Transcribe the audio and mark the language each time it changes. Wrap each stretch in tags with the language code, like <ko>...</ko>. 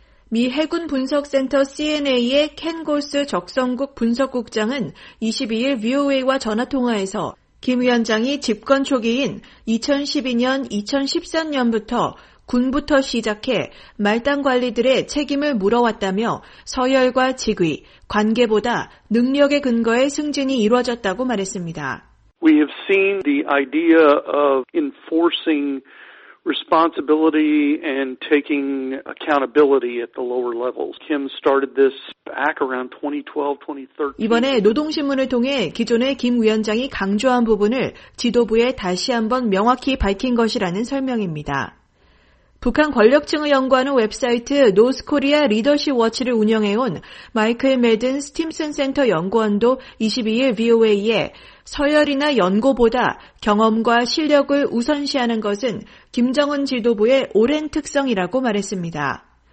<ko>미 해군 분석센터 CNA의 켄 골스 적성국 분석국장은 22일 VOA와 전화통화에서 김 위원장이 집권 초기인 2012년, 2013년부터 군부터 시작해 말단 관리들의 책임을 물어왔다며 서열과 직위, 관계보다 능력의 근거에 승진이 이루어졌다고 말했습니다.</ko> <en>We have seen the idea of enforcing responsibility and taking accountability at the lower levels. Kim started this back around 2012, 2013.</en> <ko>이번에 노동신문을 통해 기존의 김 위원장이 강조한 부분을 지도부에 다시 한번 명확히 밝힌 것이라는 설명입니다. 북한 권력층을 연구하는 웹사이트 노스 코리아 리더십 워치를 운영해온 마이클 매든 스팀슨 센터 연구원도 22일 VOA에 서열이나 연고보다 경험과 실력을 우선시하는 것은 김정은 지도부의 오랜 특성이라고 말했습니다.</ko>